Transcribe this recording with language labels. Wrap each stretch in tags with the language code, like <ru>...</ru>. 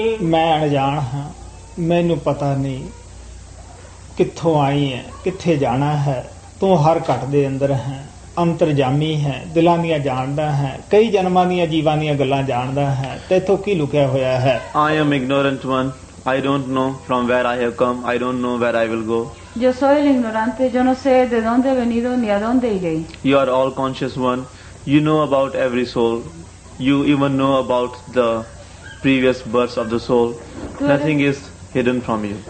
<pa>ਮੈਂ ਅਣਜਾਣ ਹਾਂ, ਮੈਨੂੰ ਪਤਾ ਨਹੀਂ ਕਿੱਥੋਂ ਆਈ ਹੈ, ਕਿੱਥੇ ਜਾਣਾ ਹੈ, ਤੂੰ ਹਰ ਘੱਟ ਦੇ ਅੰਦਰ ਹੈ, ਅੰਤਰਜਾਮੀ ਹੈ, ਦਿਲਾਂ ਦੀਆਂ ਜਾਣਦਾ ਹੈ, ਕਈ ਜਨਮਾਂ ਦੀਆਂ ਜੀਵਾਂ ਦੀਆਂ ਗੱਲਾਂ ਜਾਣਦਾ ਹੈ, ਤੇਥੋਂ ਕੀ ਲੁਕਿਆ ਹੋਇਆ ਹੈ।</pa> <en>I am ignorant one, I don't know from where I have come, I don't know where I will go.</en> <es>Yo soy el ignorante, yo no sé de dónde he venido ni a dónde iré.</es> <en>You are all conscious one, you know about every soul, you even know about the previous births of the soul, nothing is hidden from you.</en>